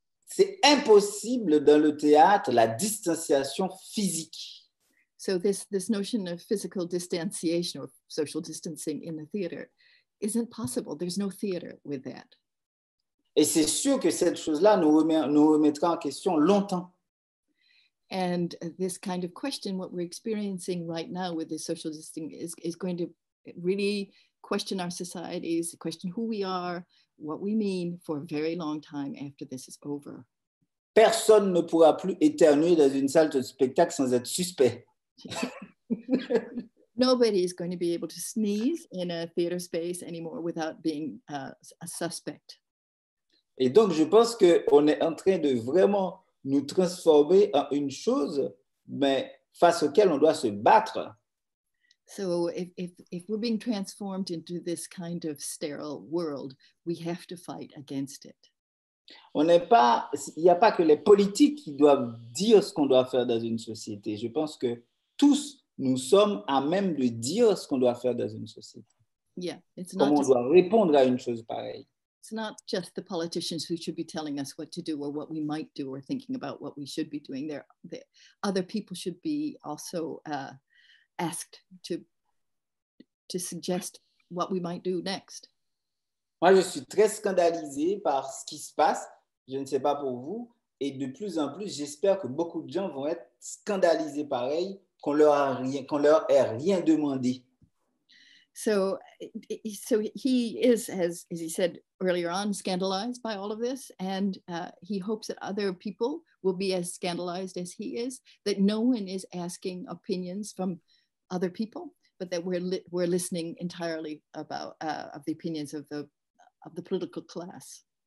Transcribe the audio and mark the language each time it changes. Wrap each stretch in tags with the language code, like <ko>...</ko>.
<fr>C'est impossible dans le théâtre la distanciation physique.</fr> <en>So this notion of physical distanciation or social distancing in the theater isn't possible. There's no theater with that.</en> <fr>Et c'est sûr que cette chose-là nous remettra en question longtemps.</fr> <en>And this kind of question, what we're experiencing right now with this social distancing, is going to really question our societies, question who we are, what we mean, for a very long time after this is over.</en> <fr>Personne ne pourra plus éternuer dans une salle de spectacle sans être suspect.</fr> <en>Nobody is going to be able to sneeze in a theater space anymore without being a suspect.</en> <fr>Et donc, je pense qu'on est en train de vraiment nous transformer en une chose, mais face auquel on doit se battre.</fr> <en>So if we're being transformed into this kind of sterile world, we have to fight against it.</en> <fr>On n'est pas, il n'y a pas que les politiques qui doivent dire ce qu'on doit faire dans une société. Je pense que tous nous sommes à même de dire ce qu'on doit faire dans une société.</fr> <en>Yeah,</en> <fr>it's comment not on doit répondre à une chose pareille.</fr> <en>It's not just the politicians who should be telling us what to do or what we might do or thinking about what we should be doing. There, other people should be also asked to suggest what we might do next.</en> <fr>Moi, je suis très scandalisé par ce qui se passe. Je ne sais pas pour vous. Et de plus en plus, j'espère que beaucoup de gens vont être scandalisés pareil, qu'on leur ait rien demandé.</fr> <en>So he is, as he said earlier on, scandalized by all of this, and he hopes that other people will be as scandalized as he is, that no one is asking opinions from other people, but that we're listening entirely about of the opinions of the political class.</en>